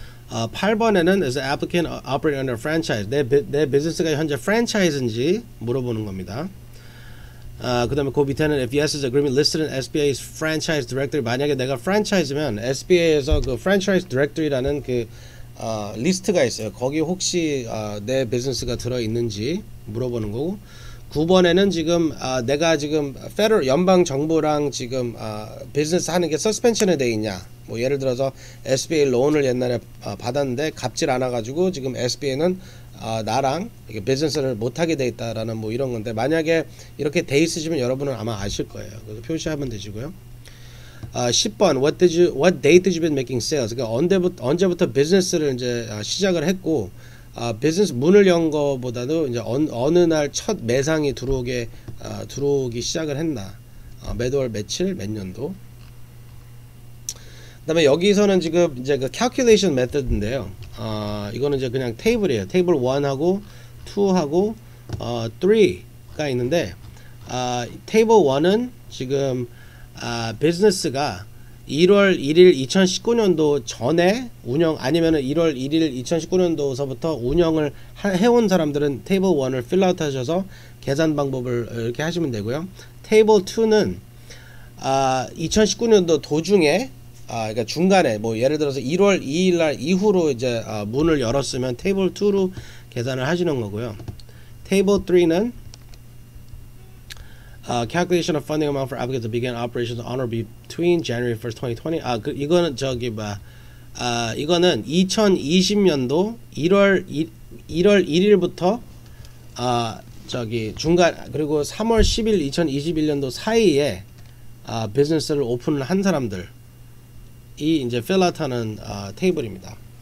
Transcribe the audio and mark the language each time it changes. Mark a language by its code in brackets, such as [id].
[ko] 8번에는 [en] Is the applicant operating under franchise? [ko] 내 business가 현재 franchise인지 물어보는 겁니다. 그 다음에 그 밑에는 [en] If yes is agreement listed in SBA's franchise directory. [ko] 만약에 내가 franchise면 SBA에서 그 franchise directory라는 그 리스트가 있어요. 거기 혹시 내 business가 들어있는지 물어보는 거고, 9번에는 지금 내가 지금 federal 연방 정부랑 지금 business 하는 게 suspension에 돼 있냐? 뭐 예를 들어서 SBA 론을 옛날에 받았는데 갚질 않아가지고 지금 SBA는 나랑 이렇게 business를 못하게 돼 있다라는 뭐 이런 건데, 만약에 이렇게 돼 있으시면 여러분은 아마 아실 거예요. 그래서 표시하면 되시고요. 10번, [en] what date did you been making sales? [ko] 그러니까 언제부터 business를 이제 시작을 했고, 비즈니스 문을 연 거보다도 이제 어느 날첫 매상이 들어오기 시작을 했나? 몇 월, 며칠, 몇 년도? 그다음에 여기서는 지금 이제 그 calculation method인데요. 이거는 이제 그냥 테이블이에요. 테이블 1하고 2하고 3가 있는데, 테이블 1은 지금 비즈니스가 1월 1일 2019년도 전에 운영, 아니면은 1월 1일 2019년도서부터 운영을 해온 사람들은 테이블 1을 fill out 하셔서 계산 방법을 이렇게 하시면 되고요. 테이블 2는 2019년도 도중에, 그러니까 중간에, 뭐 예를 들어서 1월 2일 날 이후로 이제 문을 열었으면 테이블 2로 계산을 하시는 거고요. 테이블 3는 [en] calculation of funding amount for applicants to begin operations on or between January 1st, 2020. [ko] 이거는 저기 봐. 이거는 2020년도 1월 1일부터 저기 중간, 그리고 3월 10일 2021년도 사이에 business를 오픈을 한 사람들이 이제 fill out 하는 테이블입니다.